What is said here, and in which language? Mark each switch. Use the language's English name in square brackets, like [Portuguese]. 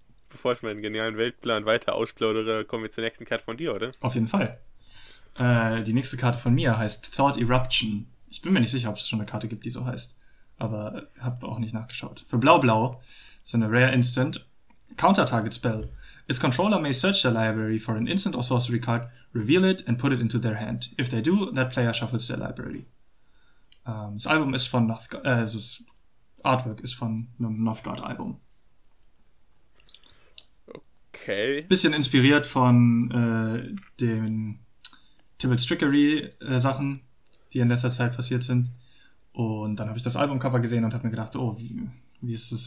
[German] Bevor ich meinen genialen Weltplan weiter ausplaudere, kommen wir zur nächsten Karte von dir, oder? Auf jeden Fall. Die nächste Karte von mir heißt Thought Eruption. Ich bin mir nicht sicher, ob es schon eine Karte gibt, die so heißt. Aber habe auch nicht nachgeschaut. Für Blau-Blau ist eine Rare Instant Counter-Target Spell. [English] Its controller may search their library for an instant or sorcery card, reveal it and put it into their hand. If they do, that player shuffles their library. [German] Das Album ist von Nothgard. Also das Artwork ist von einem Nothgard-Album. Okay. Bisschen inspiriert von den Tibble Trickery-Sachen, die in letzter Zeit passiert sind. Und dann habe ich das Albumcover gesehen und habe mir gedacht, oh, wie ist das?